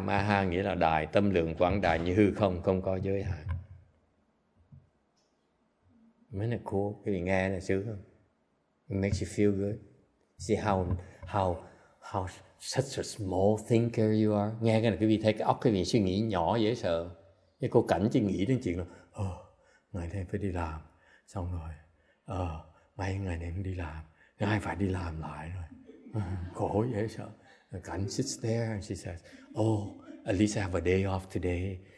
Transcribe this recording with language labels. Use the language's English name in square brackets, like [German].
[Vietnamese] Maha nghĩa là đại, tâm lượng quảng đại như hư không, không có giới hạn. Mấy này cool, cái gì nghe này sướng không? [English] It makes you feel good. See how such a small thinker you are. [Vietnamese] Nghe cái này, quý vị thấy cái óc cái gì suy nghĩ nhỏ dễ sợ. Cái cô cảnh chỉ nghĩ đến chuyện là ngày này phải đi làm, xong rồi, mấy ngày này cũng đi làm, ngày phải đi làm lại rồi. Khổ dễ sợ. [English] Gan sits there and she says, "Oh, at least I have a day off today.